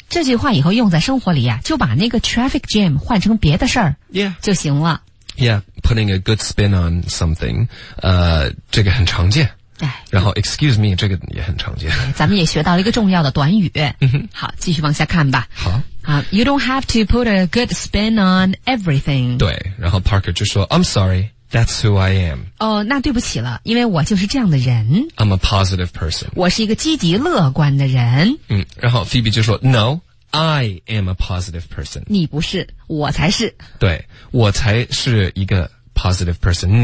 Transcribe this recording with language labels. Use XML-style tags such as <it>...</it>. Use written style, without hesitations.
<zh>这句话以后用在生活里啊，就把那个 traffic jam 换成别的事儿，Yeah，就行了。</zh> <en>Yeah, putting a good spin on something.</en> <zh>这个很常见。哎，然后 excuse me 这个也很常见，咱们也学到了一个重要的短语。好，继续往下看吧。好</zh> <en>，You don't have to put a good spin on everything。</en> <zh>对，然后 Parker 就说 ，</zh> <en>I'm sorry, that's who I am。</en> <zh>哦，那对不起了，因为我就是这样的人。</zh> <en>I'm a positive person。</en> <zh>我是一个积极乐观的人。嗯，然后 Phoebe 就说 ，</zh> <en>No, I am a positive person。</en> <zh>你不是，我才是。对，我才是一个 positive person。</zh>